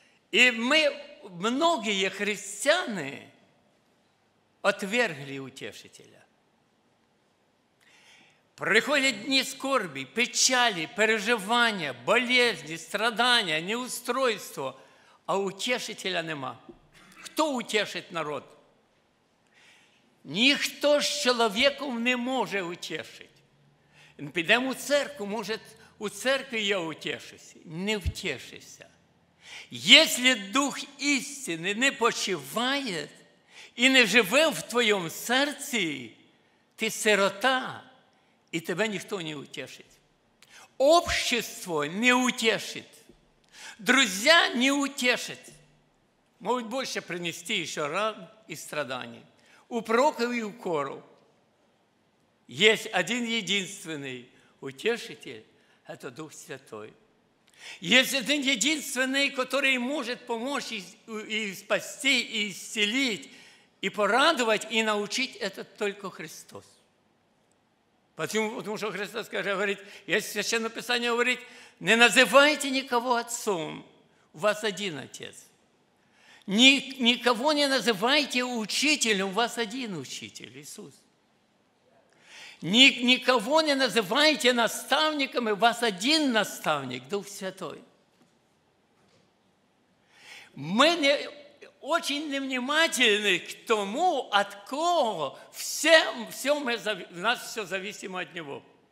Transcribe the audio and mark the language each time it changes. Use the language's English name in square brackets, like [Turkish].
[Russian] И мы, многие христиане, отвергли Утешителя. Приходят дни скорби, печали, переживания, болезни, страдания, неустройства, а Утешителя нема. Кто утешит народ? [Ukrainian] Ніхто з чоловіком не може утішити. Підемо у церкву, може, у церкві я утішусь. Не втішися. Якщо Дух істини не почиває і не живе в твоєму серці, ти сирота, і тебе ніхто не утішить. Общество не утішить. Друзі не утішать. Можуть більше принести ще ран і страдання. У проклятий і у кору є один єдинственний утішитель – це Дух Святой. Є один єдинственний, який може допомогти і спасти, і зцілити, і порадувати, і навчити – це тільки Христос. Тому що Христос каже, говорить, є священне писання, говорить, не називайте нікого отцом, у вас один отець. [Russian] Никого не называйте учителем, у вас один учитель, Иисус. Никого не называйте наставником, у вас один наставник, Дух Святой. Мы очень невнимательны к тому, от кого у нас все зависимо от Него.